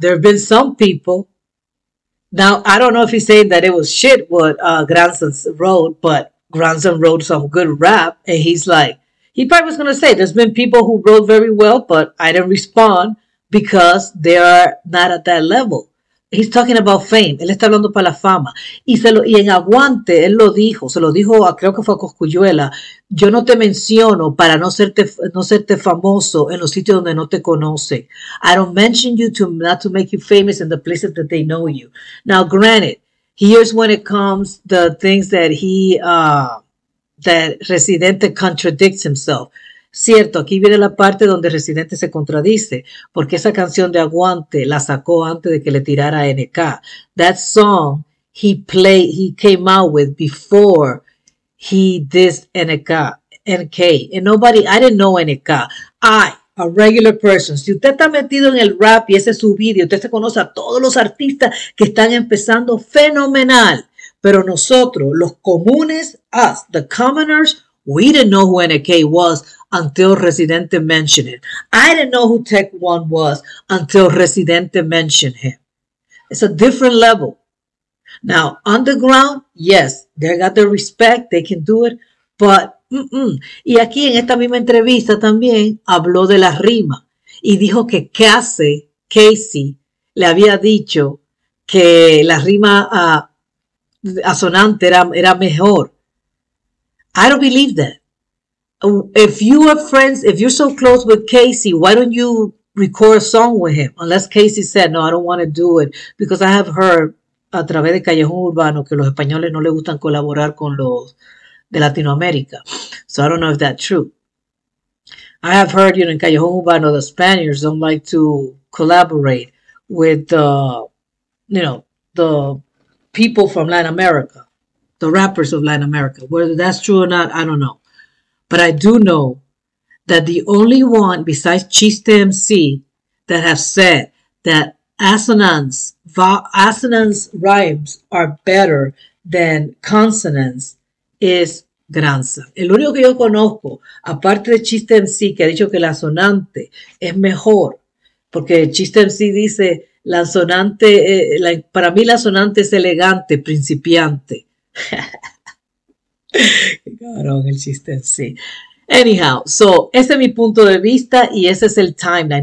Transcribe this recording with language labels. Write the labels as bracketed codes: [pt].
[en] There have been some people... Now, I don't know if he's saying that it was shit what Grandson wrote, but Grandson wrote some good rap, and he's like, he probably was going to say, there's been people who wrote very well, but I didn't respond because they are not at that level. He's talking about fame. [es] Él está hablando para la fama. Y en Aguante, él lo dijo, se lo dijo, creo que fue a Cosculluela, yo no te menciono para no serte famoso en los sitios donde no te conocen. [en] I don't mention you not to make you famous in the places that they know you. Now, granted, here's when it comes the things that that Residente contradicts himself. [es] Cierto, aquí viene la parte donde Residente se contradice, porque esa canción de Aguante la sacó antes de que le tirara a NK. [en] That song he came out with before he dissed NK. And nobody, I didn't know NK. I, a regular person. [es] Si usted está metido en el rap y ese es su video, usted se conoce a todos los artistas que están empezando, fenomenal. Pero nosotros, los comunes, [en] us, the commoners, we didn't know who NK was until Residente mentioned it. I didn't know who Tech One was until Residente mentioned him. It's a different level. Now, underground, yes, they got the respect, they can do it, but, [es] Y aquí en esta misma entrevista también habló de la rima y dijo que Casey le había dicho que la rima asonante era mejor. [en] I don't believe that. If you are friends, if you're so close with Casey, why don't you record a song with him? Unless Casey said, no, I don't want to do it. Because I have heard, [es] a través de Callejón Urbano, que los españoles no les gustan colaborar con los de Latinoamérica. [en] So I don't know if that's true. I have heard, you know, in Callejón Urbano, the Spaniards don't like to collaborate with, the people from Latin America. The rappers of Latin America. Whether that's true or not, I don't know. But I do know that the only one besides Chiste MC that has said that assonance rhymes are better than consonants is Grandson. [es] El único que yo conozco, aparte de Chiste MC, que ha dicho que la sonante es mejor, porque Chiste MC dice la sonante, para mí la sonante es elegante, principiante. Qué cabrón el chiste, sí. [en] Anyhow, so [es] ese es mi punto de vista y ese es el timeline.